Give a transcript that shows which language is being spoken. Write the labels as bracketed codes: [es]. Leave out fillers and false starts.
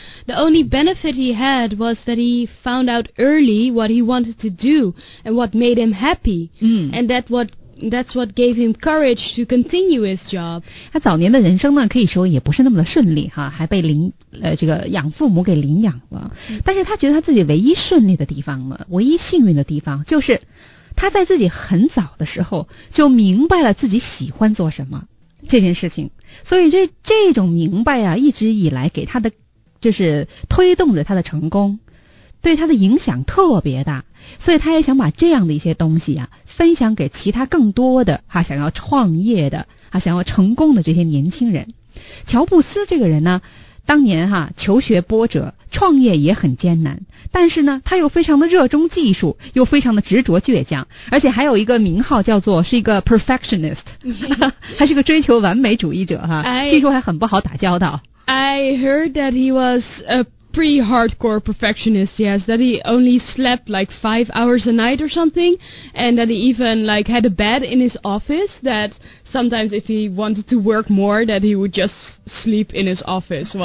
[en] The only benefit he had was that he found out early what he wanted to do and what made him happy,and that's what gave him courage to continue his job. [zh] 他早年的人生呢，可以说也不是那么的顺利哈，还被这个养父母给领养了。但是他觉得他自己唯一顺利的地方呢，唯一幸运的地方，就是他在自己很早的时候就明白了自己喜欢做什么这件事情。所以这种明白啊，一直以来给他的就是推动着他的成功。对他的影响特别大，所以他也想把这样的一些东西啊分享给其他更多的哈、想要创业的哈、想要成功的这些年轻人。乔布斯这个人呢，当年哈，求学波折，创业也很艰难，但是呢，他又非常的热衷技术，又非常的执着倔强，而且还有一个名号叫做是一个 perfectionist， 还是个追求完美主义者哈。据说还很不好打交道。 [en] I heard that he was a pretty hardcore perfectionist. Yes, that he only slept like 5 hours a night or something, and that he even like had a bed in his office that sometimes if he wanted to work more, that he would just sleep in his office.